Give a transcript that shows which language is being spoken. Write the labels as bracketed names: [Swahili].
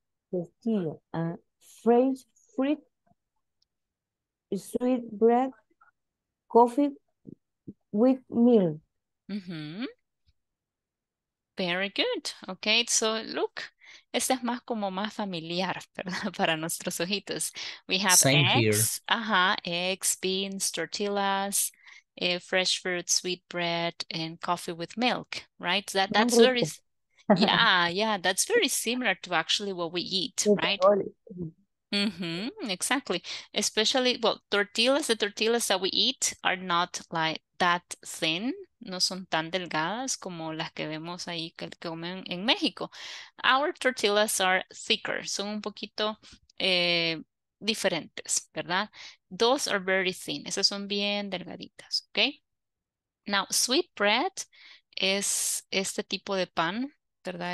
[English] Tortilla, fresh fruit, sweet bread, coffee with milk. Mm-hmm. Very good. Okay, so look, [Spanish] este es más como más familiar, ¿verdad? Para nuestros ojitos. [English] We have same eggs, here. Eggs, beans, tortillas, fresh fruit, sweet bread, and coffee with milk, right? That's very... Yeah, that's very similar to actually what we eat, right? Mm-hmm, exactly. Especially, well, the tortillas that we eat are not like that thin. [Spanish] No son tan delgadas como las que vemos ahí que comen en México. [English] Our tortillas are thicker. [Spanish] Son un poquito diferentes, ¿verdad? [English] Those are very thin. [Spanish] Esas son bien delgaditas, okay? Now, sweet bread es este tipo de pan, ¿verdad?